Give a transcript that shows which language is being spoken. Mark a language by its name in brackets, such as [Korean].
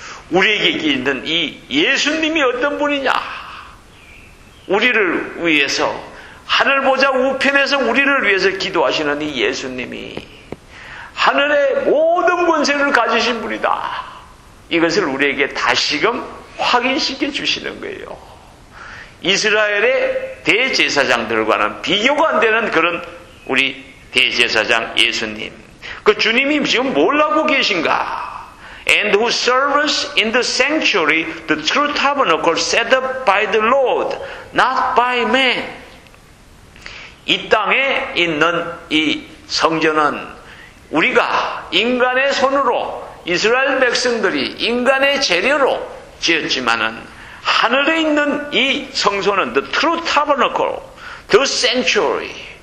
[Korean] 우리에게 있는 이 예수님이 어떤 분이냐? 우리를 위해서 하늘 보좌 우편에서 우리를 위해서 기도하시는 이 예수님이 하늘의 모든 권세를 가지신 분이다. 이것을 우리에게 다시금 확인시켜 주시는 거예요. 이스라엘의 대제사장들과는 비교가 안 되는 그런 우리 대제사장 예수님. 그 주님이 지금 뭘하고 계신가? [English] And who serves in the sanctuary, the true tabernacle set up by the Lord, not by man. [Korean] 이 땅에 있는 이 성전은 우리가 인간의 손으로 이스라엘 백성들이 인간의 재료로 지었지만은 하늘에 있는 이 성소는 [English] the true tabernacle, the sanctuary.